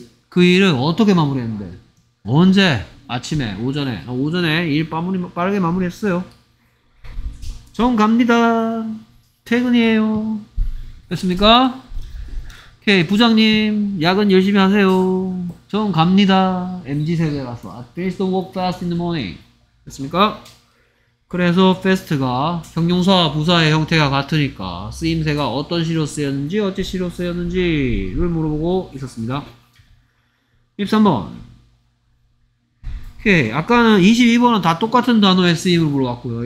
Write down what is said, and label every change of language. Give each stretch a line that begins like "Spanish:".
Korean: 그 일을 어떻게 마무리했는데? 언제? 아침에? 오전에? 오전에 일 빠르게 마무리했어요. 전 갑니다. 퇴근이에요. 됐습니까? 오케이 부장님 야근 열심히 하세요. 전 갑니다. MZ세대라서
English: I finish the work fast in the morning.
Korean: 됐습니까? 그래서 fast가 형용사와 부사의 형태가 같으니까 쓰임새가 어떤 시로 쓰였는지 어찌 시로 쓰였는지를 물어보고 있었습니다. 13번 오케이 아까는 22번은 다 똑같은 단어의 쓰임을 물어봤고요.